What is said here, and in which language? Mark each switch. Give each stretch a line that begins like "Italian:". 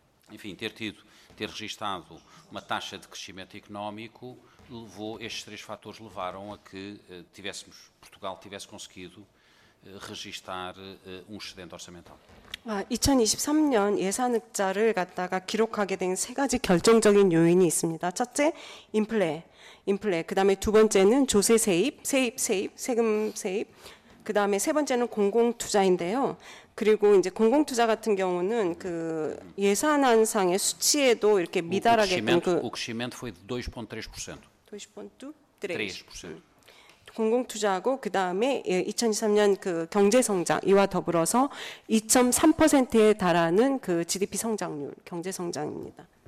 Portuguese: Enfim, ter registado uma taxa de crescimento económico, estes três fatores levaram a que Portugal tivesse conseguido registar um excedente orçamental.
Korean: 2023년 예산 흑자를 갖다가 기록하게 된 세 가지 결정적인 요인이 있습니다. 첫째, 인플레. 그 다음에 두 번째는 조세 세금 세입. 그 다음에 세 번째는 공공투자인데요. 그리고 이제 공공투자 같은 경우는 그 예산안상의 수치에도 이렇게 미달하게 된 그.
Portuguese: O crescimento foi de 2.3%. 2.3%.
Korean: 공공 투자하고 그다음에 2023년 그 경제 성장 이와 더불어서 2.3%에 달하는 그 GDP 성장률 경제 성장입니다.